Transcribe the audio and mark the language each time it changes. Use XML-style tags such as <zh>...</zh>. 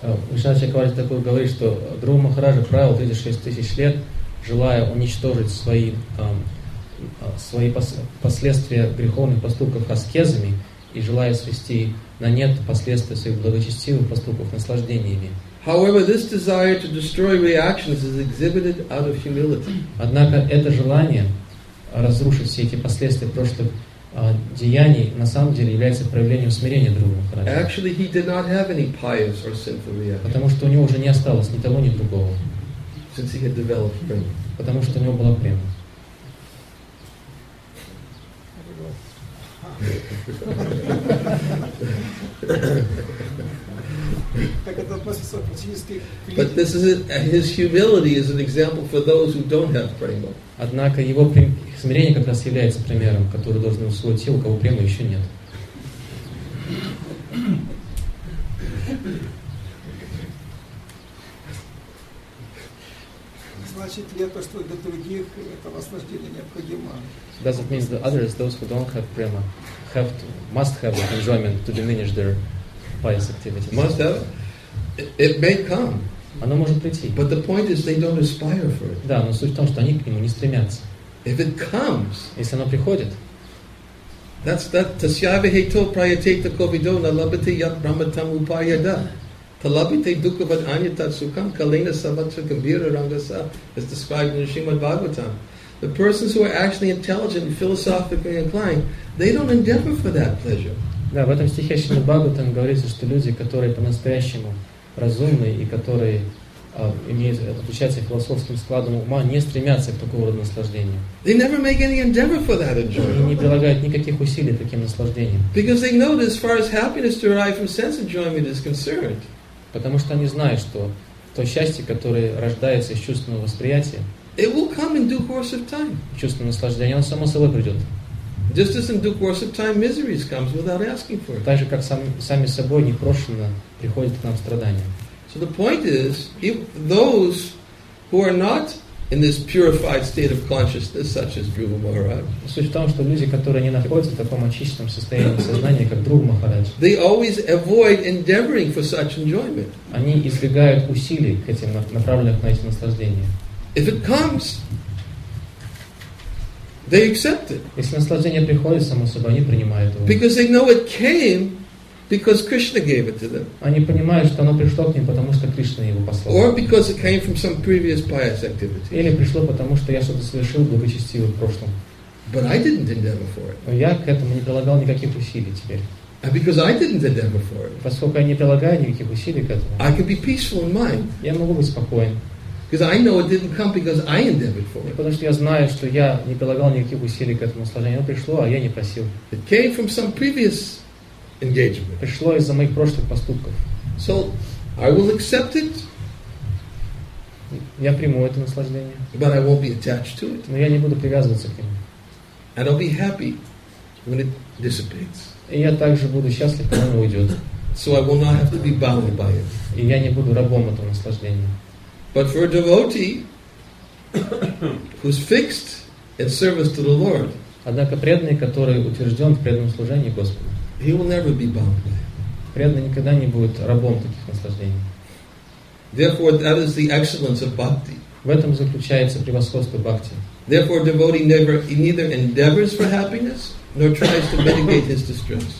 <ru>Ушачакварти такой говорит, что Друва Махараджа правил 36,000 лет, желая уничтожить свои свои последствия греховных поступков аскезами и желая свести на нет последствия своих благочестивых поступков наслаждениями.</ru> <en>However, this desire to destroy reactions is exhibited out of humility.</en> <ru>Однако это желание разрушить все эти последствия прошлых деяний на самом деле является проявлением смирения Друва Махараджа.</ru> <en>Actually, he did not have any pious or sinful reactions.</en> <ru>Потому что у него уже не осталось ни того, ни другого.</ru> <en>Since he had developed prema.</en> <ru>Потому что у него была према.</ru> <en>But this is his humility is an example for those who don't have prema.</en> <ru>Однако его смирение как раз является примером, который должны усвоить те, у кого премы еще нет. Значит, для того, что для других это наслаждение необходимо.</ru> <en>Does it mean that others, those who don't have prema, have to, must have enjoyment to diminish their pious activities? Must have. It may come.</en> <ru>Оно может прийти.</ru> <en>But the point is, they don't aspire for it.</en> <ru>Да, но суть в том, что они к нему не стремятся.</ru> <en>If it comes,</en> <ru>если оно приходит,</ru> <en>that's that.</en> <sa>Tasyave heto prayateta kovido na labite yat brahmatam upayada. Talabite dukavat anyatat sukam kalena sabatra kambira rangasa</sa> <en>is described in the Srimad Bhagavatam. The persons who are actually intelligent and philosophically inclined, they don't endeavor for that pleasure.</en> <ru>Да, в этом стихе Шримад Бхагаватам говорится, что люди, которые по-настоящему разумные и которые имеют отличаются философским складом ума, не стремятся к такого рода наслаждению.</ru> <en>They never make any endeavor for that enjoyment.</en> <ru>И не прилагают никаких усилий таким наслаждением.</ru> <en>Because they know that as far as happiness derived from sense enjoyment is concerned.</en> <ru>Потому что они знают, что то счастье, которое рождается из чувственного восприятия,</ru> <en>it will come in due course of time.</en> <ru>Чувственное наслаждение, оно само собой придет.</ru> <en>Just as in due course of time, misery comes without asking for it.</en> <ru>Так же, как сами собой непрошенно приходят к нам страдания.</ru> <en>So the point is, if those who are not in this purified state of consciousness, such as Dhruva Maharaj,</en> <ru>суть в том, что люди, которые не находятся в таком очищенном состоянии сознания, как Дхрува Махарадж,</ru> <en>they always avoid endeavoring for such enjoyment.</en> <ru>Они избегают усилий к этим направленных на эти наслаждения.</ru> <en>If it comes, they accept it.</en> <ru>Если наслаждение приходит само собой, они принимают его.</ru> <en>Because they know it came because Krishna gave it to them.</en> <ru>Они понимают, что оно пришло к ним, потому что Кришна его послал.</ru> <en>Or because it came from some previous pious activity.</en> <ru>Или пришло потому, что я что-то совершил благочестивое в прошлом.</ru> <en>But I didn't endeavor for it.</en> <ru>Но я к этому не прилагал никаких усилий теперь.</ru> <en>And because I didn't endeavor for it.</en> <ru>Поскольку я не прилагаю никаких усилий к этому.</ru> <en>I can be peaceful in mind.</en> <ru>Я могу быть спокоен.</ru> <en>Because I know it didn't come because I endeavored for it.</en> <ru>Потому что я знаю, что я не прилагал никаких усилий к этому наслаждению. Оно пришло, а я не просил.</ru> <en>It came from some previous engagement.</en> <ru>Пришло из-за моих прошлых поступков.</ru> <en>So I will accept it.</en> <ru>Я приму это наслаждение.</ru> <en>But I won't be attached to it.</en> <ru>Но я не буду привязываться к нему.</ru> <en>And I'll be happy when it dissipates.</en> <ru>И я также буду счастлив, когда оно уйдет.</ru> <en>So I will not have to be bound by it.</en> <ru>И я не буду рабом этого наслаждения.</ru> <en>But for a devotee who's fixed in service to the Lord,</en> <ru>однако преданный, который утвержден в преданном служении Господу,</ru> <en>he will never be bound.</en> <ru>Преданный никогда не будет рабом таких наслаждений.</ru> <en>Therefore, that is the excellence of bhakti.</en> <ru>В этом заключается превосходство бхакти.</ru> <en>Therefore, a devotee never, he neither endeavors for happiness nor tries to mitigate his distress.</en>